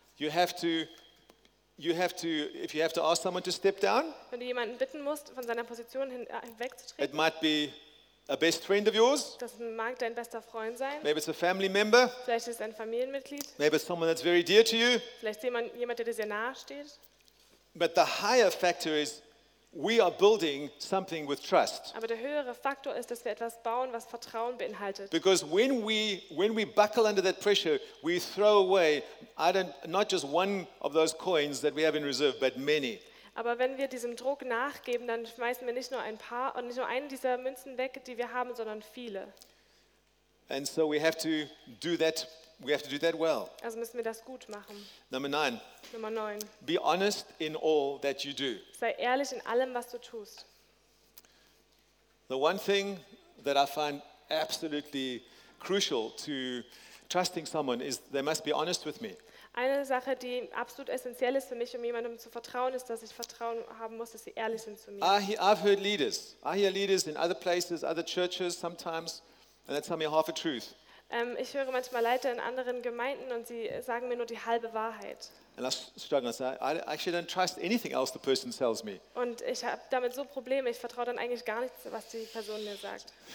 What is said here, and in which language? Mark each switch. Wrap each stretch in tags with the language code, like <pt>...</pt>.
<en>If you have to ask someone to step down,</en> <de>wenn du jemanden bitten musst, von seiner Position hinwegzutreten,</de> <en>it might be a best friend of yours.</en> <de>Das mag dein bester Freund sein.</de> <en>Maybe it's a family member.</en> <de>Vielleicht ist es ein Familienmitglied.</de> <en>Maybe it's someone that's very dear to you.</en> <de>Vielleicht ist jemand, der dir sehr nahe steht.</de> <en>But the higher factor is we are building something with trust.</en> <de>Aber der höhere Faktor ist, dass wir etwas bauen, was Vertrauen beinhaltet.</de> <en>Because when we buckle under that pressure, we throw away not just one of those coins that we have in reserve, but many.</en> <de>Aber wenn wir diesem Druck nachgeben, dann schmeißen wir nicht nur ein paar und nicht nur einen dieser Münzen weg, die wir haben, sondern viele.</de> <en>And so we have to do that. We have to do that well.</en> <de>Also müssen wir das gut machen. Nummer 9.</de> <en>Be honest in all that you do.</en> <de>Sei ehrlich in allem, was du tust.</de> <en>The one thing that I find absolutely crucial to trusting someone is they must be honest with me.</en> <de>Eine Sache, die absolut essentiell ist für mich, um jemandem zu vertrauen, ist, dass ich Vertrauen haben muss, dass sie ehrlich sind zu mir.</de> <en>I hear leaders in other places, other churches sometimes, and they tell me half a truth.</en> <de>Ich höre manchmal Leiter in anderen Gemeinden und sie sagen mir nur die halbe Wahrheit.</de> <en>And I struggle. I actually don't trust anything else the person tells me.</en> <de>Und ich habe damit so Probleme. Ich vertraue dann eigentlich gar nichts, was die Person mir sagt.</de>